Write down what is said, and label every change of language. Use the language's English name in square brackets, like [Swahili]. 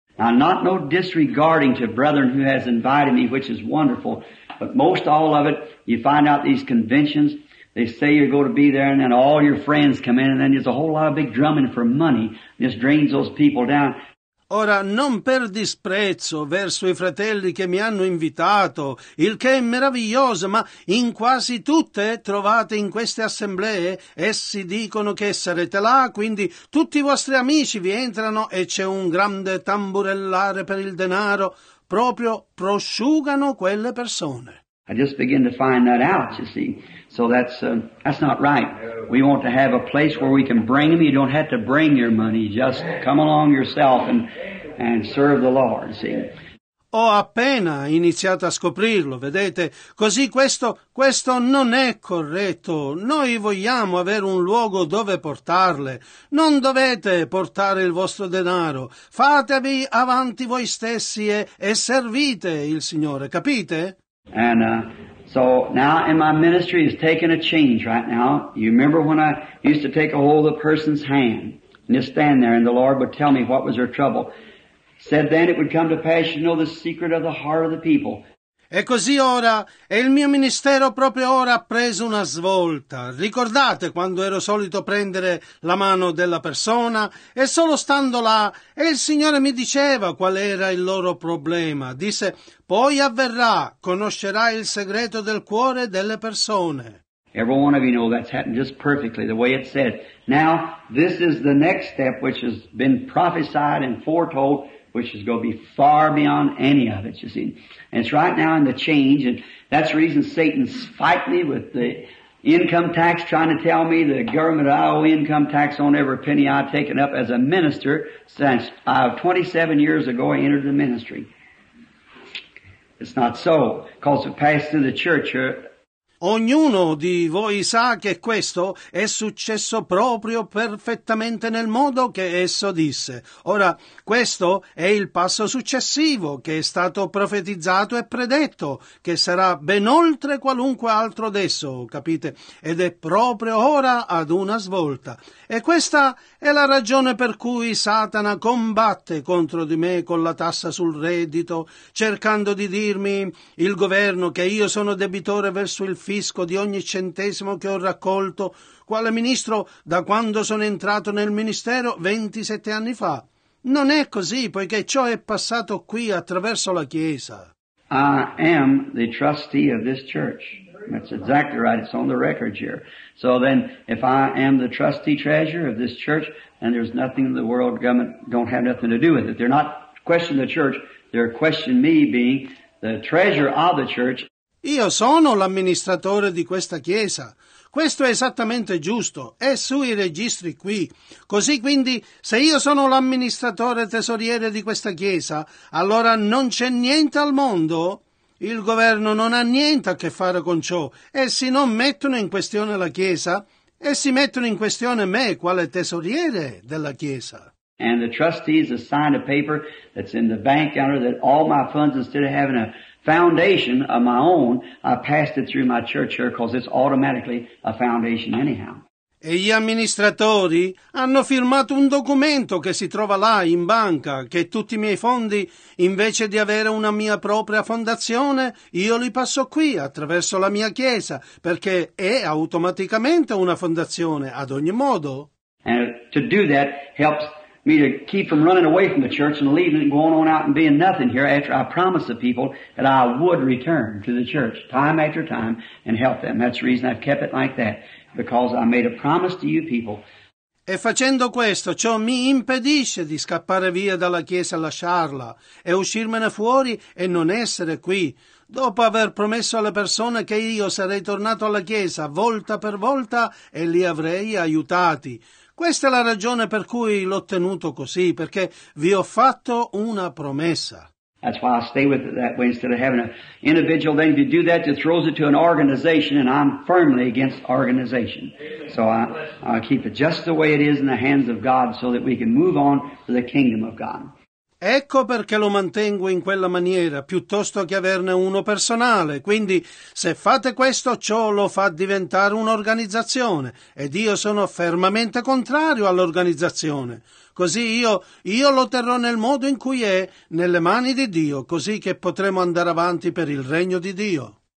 [English] Now, not no disregarding to brethren who has invited me, which is wonderful, But most all of it, you find out these conventions, they say you're going to be there, and then all your friends come in, and then there's a whole lot of big drumming for money. This drains those people down. [Italian] Ora, non per disprezzo verso i fratelli che mi hanno invitato, il che è meraviglioso, ma in quasi tutte trovate in queste assemblee, essi dicono che sarete là, quindi tutti i vostri amici vi entrano e c'è un grande tamburellare per il denaro, proprio prosciugano quelle persone. [English] I just begin to find that out, you see. So that's not right. We want to have a place where we can bring them. You don't have to bring your money. Just come along yourself and serve the Lord, see. [Italian] Ho appena iniziato a scoprirlo, vedete? Così questo non è corretto. Noi vogliamo avere un luogo dove portarle. Non dovete portare il vostro denaro. Fatevi avanti voi stessi e servite il Signore, capite? [English] And so now in my ministry is taking a change right now. You remember when I used to take a hold of the person's hand and just stand there and the Lord would tell me what was their trouble. Said then it would come to pass, you know, the secret of the heart of the people. [Italian] E così ora, e il mio ministero proprio ora ha preso una svolta. Ricordate quando ero solito prendere la mano della persona? E solo stando là, e il Signore mi diceva qual era il loro problema. Disse, poi avverrà, conoscerai il segreto del cuore delle persone. [English] Every one of you know that's happened just perfectly, the way it said. Now, this is the next step which has been prophesied and foretold, which is going to be far beyond any of it, you see. And it's right now in the change, and that's the reason Satan's fighting me with the income tax, trying to tell me the government, I owe income tax on every penny I've taken up as a minister since 27 years ago I entered the ministry. It's not so, because it passed through the church. [Italian] Ognuno di voi sa che questo è successo proprio perfettamente nel modo che esso disse. Ora, questo è il passo successivo che è stato profetizzato e predetto, che sarà ben oltre qualunque altro adesso, capite? Ed è proprio ora ad una svolta. E questa è la ragione per cui Satana combatte contro di me con la tassa sul reddito, cercando di dirmi il governo che io sono debitore verso il fisco di ogni centesimo che ho raccolto, quale ministro da quando sono entrato nel ministero 27 anni fa. Non è così, poiché ciò è passato qui attraverso la Chiesa. [English] I am the trustee of this church. That's exactly right. It's on the record here. So then, if I am the trustee treasurer of this church, then there's nothing in the world government don't have nothing to do with it. They're not questioning the church. They're questioning me being the treasurer of the church. [Italian] Io sono l'amministratore di questa chiesa. Questo è esattamente giusto. È sui registri qui. Così quindi, se io sono l'amministratore tesoriere di questa chiesa, allora non c'è niente al mondo. Il governo non ha niente a che fare con ciò. Essi non mettono in questione la chiesa. Essi mettono in questione me, quale tesoriere della chiesa. [English] And the trustees have signed a paper that's in the bank under that all my funds, instead of having a foundation of my own, I passed it through my church here because it's automatically a foundation anyhow. [Italian] E gli amministratori hanno firmato un documento che si trova là in banca, che tutti i miei fondi, invece di avere una mia propria fondazione, io li passo qui attraverso la mia chiesa, perché è automaticamente una fondazione ad ogni modo. [English] And to do that helps me to keep from running away from the church and leaving and going on out and being nothing here after I promised the people that I would return to the church time after time and help them. That's the reason I've kept it like that, because I made a promise to you people. [Italian] E facendo questo, ciò mi impedisce di scappare via dalla chiesa e lasciarla e uscirmene fuori e non essere qui. Dopo aver promesso alle persone che io sarei tornato alla chiesa volta per volta e li avrei aiutati. Questa è la ragione per cui l'ho tenuto così, perché vi ho fatto una promessa. [English] That's why I stay with it that way instead of having an individual. Then if you do that, it throws it to an organization, and I'm firmly against organization. So I keep it just the way it is in the hands of God so that we can move on to the kingdom of God. [Italian] Ecco perché lo mantengo in quella maniera, piuttosto che averne uno personale. Quindi, se fate questo, ciò lo fa diventare un'organizzazione. Ed io sono fermamente contrario all'organizzazione. Così io lo terrò nel modo in cui è, nelle mani di Dio, così che potremo andare avanti per il regno di Dio.